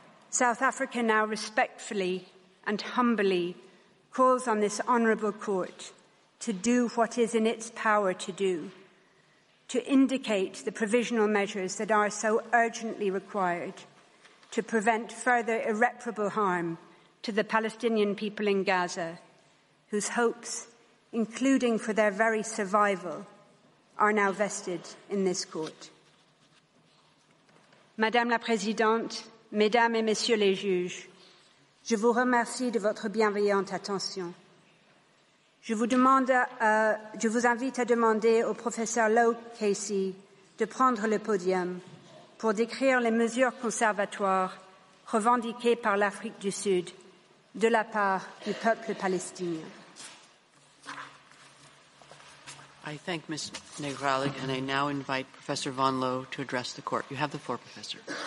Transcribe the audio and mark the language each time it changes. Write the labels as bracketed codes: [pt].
[en] South Africa now respectfully and humbly calls on this honourable court to do what is in its power to do, to indicate the provisional measures that are so urgently required to prevent further irreparable harm to the Palestinian people in Gaza, whose hopes, including for their very survival, are now vested in this court. [fr] Madame la Présidente, Mesdames et Messieurs les juges, je vous remercie de votre bienveillante attention. Je vous invite à demander au professeur Lowe Casey de prendre le podium pour décrire les mesures conservatoires revendiquées par l'Afrique du Sud de la part du peuple palestinien. [en] I thank Ms. Negralig, and I now invite Professor Von Lowe to address the court. You have the floor, Professor.